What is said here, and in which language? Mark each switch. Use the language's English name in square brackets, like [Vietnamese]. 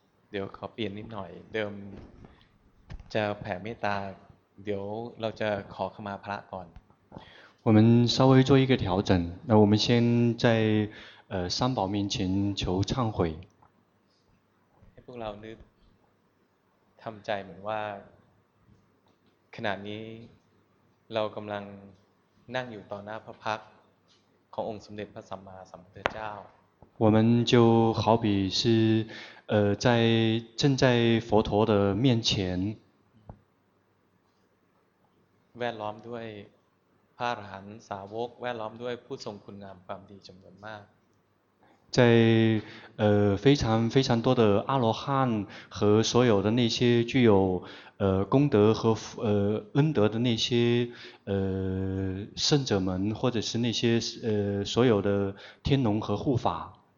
[Thai] เดี๋ยวขอเปลี่ยนนิดหน่อยเดิมจะแผ่เมตตาเดี๋ยวเราจะขอขมาพระก่อน [Chinese] 我们稍微做一个调整那我们先在三宝面前求忏悔 [Thai] ให้พวกเรานึกทำใจเหมือนว่าขณะนี้เรากำลังนั่งอยู่ต่อหน้าพระพักขององค์สมเด็จพระสัมมาสัมพุทธเจ้า [Chinese] 我们就好比是在正在佛陀的面前 [Thai] แวดล้อมด้วยพระอรหันต์สาวกแวดล้อมด้วยผู้ทรงคุณงามความดีจำนวนมาก [Chinese] 在非常非常多的阿罗汉和所有的那些具有功德和恩德的那些圣者们或者是那些所有的天龙和护法